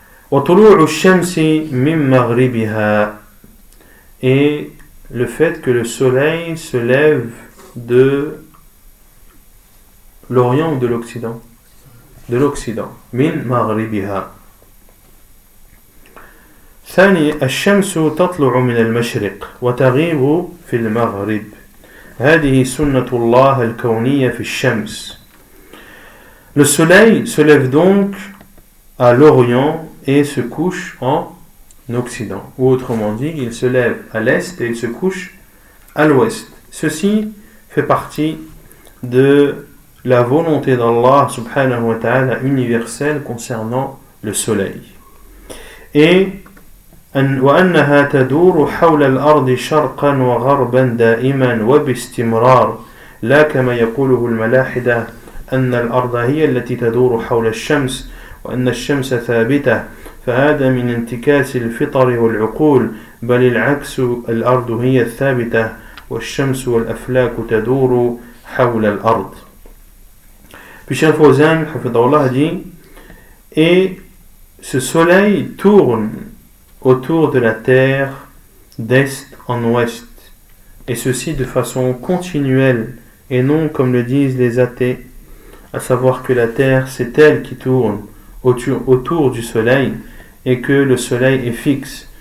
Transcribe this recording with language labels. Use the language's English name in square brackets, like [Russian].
[Arabic] وطلوع الشمس من مغربها [French] et le fait que le soleil se lève de l'Orient ou de l'Occident [Arabic] من مغربها. ثاني الشمس تطلع من المشرق وتغيب في المغرب هذه سنة الله الكونية في الشمس. [French] Le soleil se lève donc à l'Orient et se couche en Occident. Ou autrement dit, il se lève à l'Est et il se couche à l'Ouest. Ceci fait partie de la volonté d'Allah subhanahu wa ta'ala universelle concernant le soleil. [Arabic] Et وأنها تدور حول الأرض شرقا وغربا دائما وباستمرار لا كما يقوله الملاحدة أن الأرض هي التي تدور حول الشمس وأن الشمس ثابتة فهذا من انتكاس الفطر والعقول بل العكس الأرض هي الثابتة والشمس والأفلاك تدور حول الأرض. [French] Puis Cheikh Fawzan, Hafidhahullah, dit « Et ce soleil tourne autour de la terre d'est en ouest, et ceci de façon continuelle, et non comme le disent les athées, à savoir que la terre, c'est elle qui tourne autour du soleil, et que le soleil est fixe.